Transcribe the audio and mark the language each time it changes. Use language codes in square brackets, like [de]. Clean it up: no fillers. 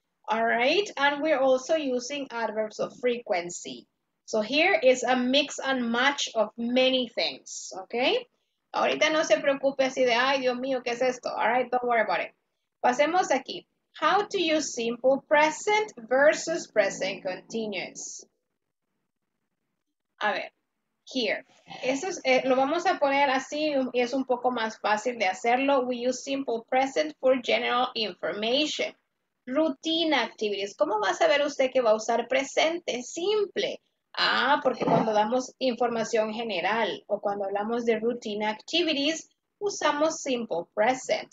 [en] All right, and we're also using adverbs of frequency. So here is a mix and match of many things, okay? [es] Ahorita no se preocupe así de, ay, Dios mío, ¿qué es esto? [en] All right, don't worry about it. [es] Pasemos aquí. [en] How to use simple present versus present continuous. [es] A ver, [en] here. [es] Eso es, lo vamos a poner así y es un poco más fácil de hacerlo. [en] We use simple present for general information. Routine activities. [es] ¿Cómo va a saber usted que va a usar presente? Simple. Ah, porque cuando damos información general o cuando hablamos de routine activities, usamos simple present.